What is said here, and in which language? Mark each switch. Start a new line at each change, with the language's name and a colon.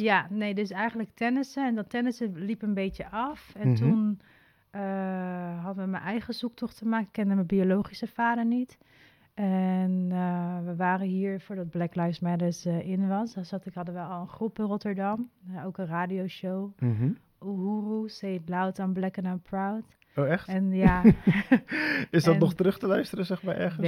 Dutch: Ja, nee, dus eigenlijk tennissen. En dat tennissen liep een beetje af. En mm-hmm. toen hadden we mijn eigen zoektocht te maken. Ik kende mijn biologische vader niet. En we waren hier voordat Black Lives Matter in was. Hadden we al een groep in Rotterdam. Ook een radioshow. Mm-hmm.
English: Uhuru, say it loud, I'm black and I'm proud.
Dutch: Oh, echt? En ja. Is dat nog terug te luisteren, zeg maar, ergens?